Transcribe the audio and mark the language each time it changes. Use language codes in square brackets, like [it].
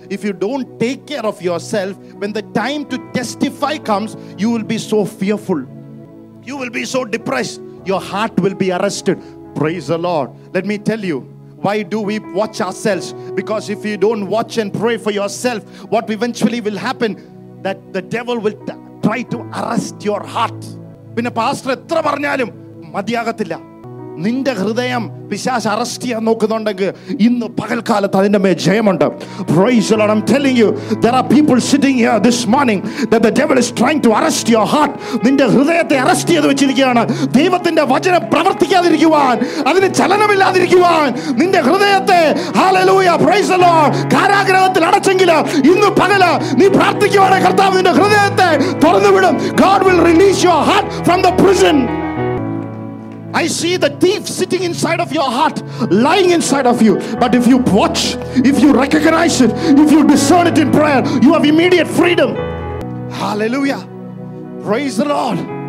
[en] If you don't take care of yourself, when the time to testify comes, you will be so fearful. You will be so depressed. Your heart will be arrested. Praise the Lord. Let me tell you, why do we watch ourselves? Because if you don't watch and pray for yourself, what eventually will happen? That the devil will try to arrest your heart. [ml] പിന്നെ pastor എത്ര പറഞ്ഞാലും മതിയാകത്തില്ല. നിന്റെ ഹൃദയം പിശാച് arrest ചെയ്യാൻ നോക്കുന്നുണ്ടെങ്കിൽ ഇന്ന് പകൽക്കാലത്ത് അതിന്റെ മേൽ ജയമുണ്ട്. [en] Praise the Lord. I'm telling you, there are people sitting here this morning that the devil is trying to arrest your heart. [ml] നിന്റെ ഹൃദയത്തെ അറസ്റ്റ് ചെയ്തു വെച്ചിരിക്കുകയാണ്. ദൈവത്തിന്റെ വചനം പ്രവർത്തിക്കാതിരിക്കുവാൻ, അതിന് ചലനമില്ലാതിരിക്കുവാൻ നിന്റെ ഹൃദയത്തെ, ഹല്ലേലൂയ, [en] praise the Lord, [ml] കാരാഗ്രഹത്തിൽ അടച്ചെങ്കിൽ ഇന്ന് പകല് നീ പ്രാർത്ഥിക്കുവാണ്, കർത്താവ് നിന്റെ ഹൃദയത്തെ തുറന്നുവിടും. [en] God will release your heart from the prison. I see the thief sitting inside of your heart, lying inside of you. But if you watch, if you recognize it, if you discern it in prayer, you have immediate freedom. Hallelujah. Praise the Lord.